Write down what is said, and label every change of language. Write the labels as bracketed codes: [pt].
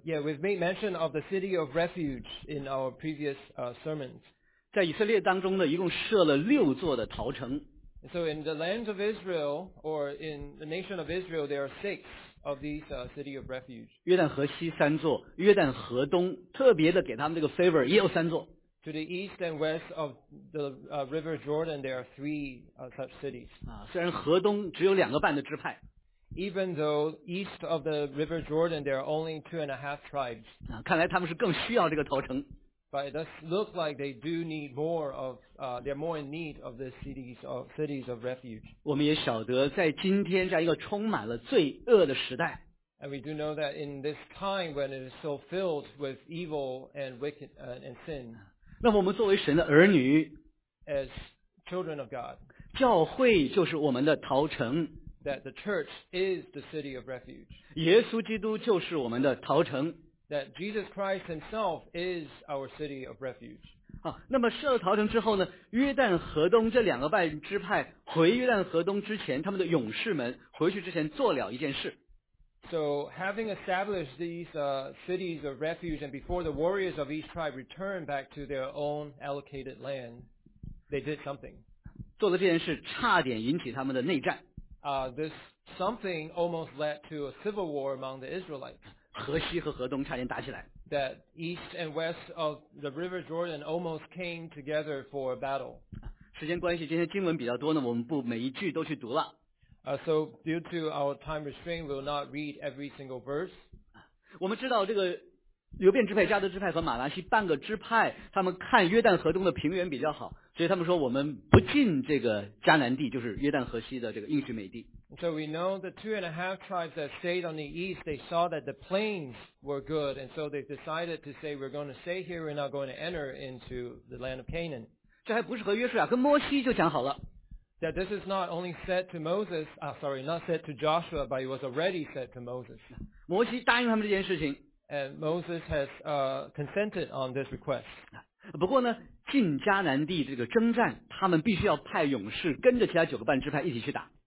[en] Yeah, we've made mention of the city of refuge in our previous sermons. [zh] 在以色列当中呢，一共设了六座的逃城。 [en] So in the land of Israel or in the nation of Israel, there are six of these city of refuge. [zh] 约旦河西三座，约旦河东，特别的给他们这个 favor 也有三座。 [en] To the east and west of the River Jordan, there are three such cities. [zh] 虽然河东只有两个半的支派。 [en] Even though east of the River Jordan, there are only two and a half tribes. [zh] 看来他们是更需要这个逃城。 [en] But it does look like they do need more of, they're more in need of the cities of refuge. [zh] 我们也晓得在今天这样一个充满了罪恶的时代。 [en] And we do know that in this time when it is so filled with evil and wicked, and sin, [zh] 那么我们作为神的儿女 [en] As children of God, [zh] 教会就是我们的逃城 [en] that the church is the city of refuge, [zh] 耶稣基督就是我们的逃城 [en] that Jesus Christ himself is our city of refuge. [zh] 那么设了逃城之后呢约旦河东这两个半支派回约旦河东之前他们的勇士们回去之前做了一件事 [en] So having established these cities of refuge and before the warriors of each tribe returned back to their own allocated land, they did something. [zh] 做了这件事差点引起他们的内战。 [en] This something almost led to a civil war among the Israelites. [zh] 河西和河东差点打起来。 [en] That east and west of the River Jordan almost came together for a battle. [zh] 时间关系今天经文比较多呢我们不每一句都去读了。 [en] So due to our time restraint, we'll not read every single verse. [zh] 我们知道这个流便支派、加德支派和马拿西半个支派，他们看约旦河东的平原比较好，所以他们说我们不进这个迦南地，就是约旦河西的这个应许美地。 [en] So we know the two and a half tribes that stayed on the east, they saw that the plains were good, and so they decided to say we're going to stay here, we're not going to enter into the land of Canaan. [zh] 这还不是和约书亚、跟摩西就讲好了。 [en] That this is not only said to Moses, not said to Joshua, but it was already said to Moses. [zh] 摩西答应他们这件事情。 [en] And Moses has, consented on this request. [zh] 不过呢，进迦南地这个征战，他们必须要派勇士跟着其他九个半支派一起去打。